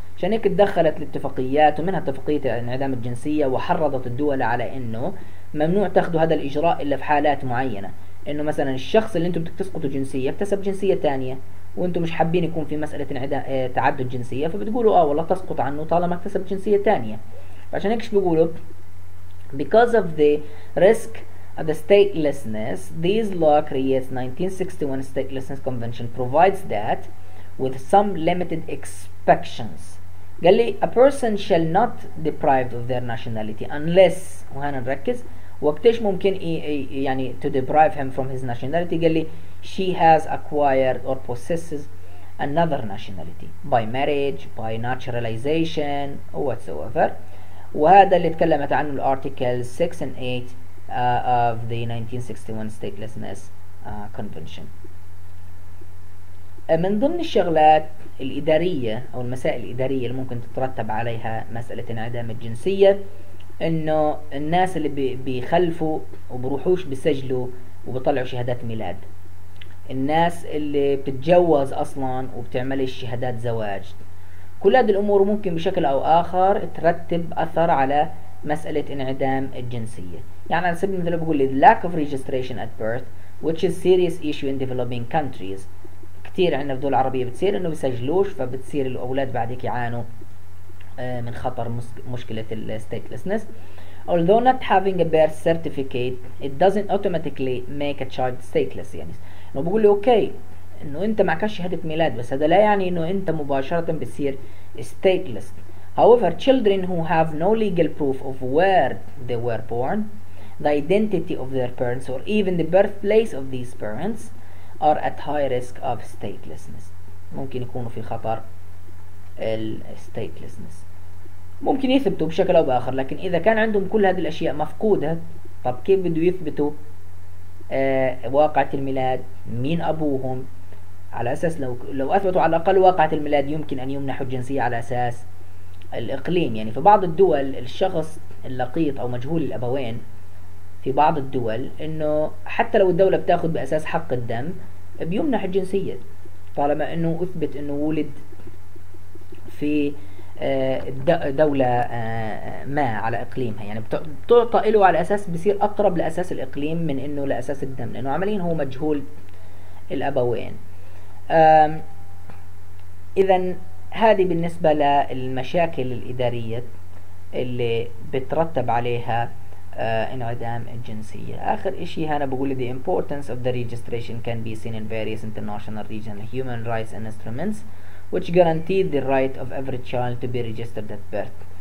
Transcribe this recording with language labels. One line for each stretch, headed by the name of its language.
Arabic: عشان هيك تدخلت الاتفاقيات ومنها اتفاقية انعدام الجنسية، وحرضت الدول على انه ممنوع تاخذوا هذا الاجراء الا في حالات معينة، انه مثلا الشخص اللي انتم بتسقطوا جنسية اكتسب جنسية تانية، وانتم مش حابين يكون في مسألة تعدد جنسية، فبتقولوا والله تسقط عنه طالما اكتسب جنسية تانية. فعشان هيك بيقولوا
English: because of the risk of the statelessness, this law creates 1961 statelessness convention provides that with some limited exceptions.
Arabic: قال لي
English: a person shall not deprived of their nationality unless،
Arabic: وهنا نركز وقتش ممكن يعني
English: to deprive him from his nationality، قال لي she has acquired or possesses another nationality by marriage, by naturalization, or whatsoever.
Arabic: وهذا اللي تكلمت عنه الارتيكل 6
English: and 8 of the 1961 statelessness convention.
Arabic: من ضمن الشغلات الإدارية أو المسائل الإدارية اللي ممكن تترتب عليها مسألة انعدام الجنسية، إنه الناس اللي بيخلفوا وبروحوش بيسجلوا وبطلعوا شهادات ميلاد، الناس اللي بتتجوز أصلاً وبتعمل الشهادات زواج، كل هذه الأمور ممكن بشكل أو آخر ترتب أثر على مسألة انعدام الجنسية. يعني على سبيل المثال بقول
English: lack of registration at birth which is serious issue in developing countries.
Arabic: كتير عندنا في الدول العربية بتصير إنه بيسجلوش فبتصير الأولاد بعدك يعانوا من خطر مشكلة الـ statelessness.
English: Although not having a birth certificate it doesn't automatically make a child stateless.
Arabic: يعني لو بقول لي أوكي إنه أنت معكش شهادة ميلاد بس هذا لا يعني إنه أنت مباشرة بتصير stateless.
English: However, children who have no legal proof of where they were born, the identity of their parents, or even the birthplace of these parents are at high risk of statelessness.
Arabic: ممكن يكونوا في خطر ال statelessness. ممكن يثبتوا بشكل أو بآخر، لكن إذا كان عندهم كل هذه الأشياء مفقودة، طب كيف بدو يثبتوا واقعة الميلاد، مين أبوهم؟ على أساس لو أثبتوا على الأقل واقعة الميلاد يمكن أن يمنحوا الجنسية على أساس الإقليم. يعني في بعض الدول الشخص اللقيط أو مجهول الأبوين في بعض الدول إنه حتى لو الدولة بتاخد بأساس حق الدم بيمنح الجنسية طالما إنه أثبت إنه ولد في دولة ما على إقليمها. يعني بتعطى له على أساس بيصير أقرب لأساس الإقليم من إنه لأساس الدم لأنه عمليا هو مجهول الأبوين. إذن هذه بالنسبة للمشاكل الإدارية اللي بترتب عليها انعدام الجنسية. آخر إشي هنا بقول
English: the importance of the registration can be seen in various international regional human rights instruments which guarantee the right of every child to be registered at birth.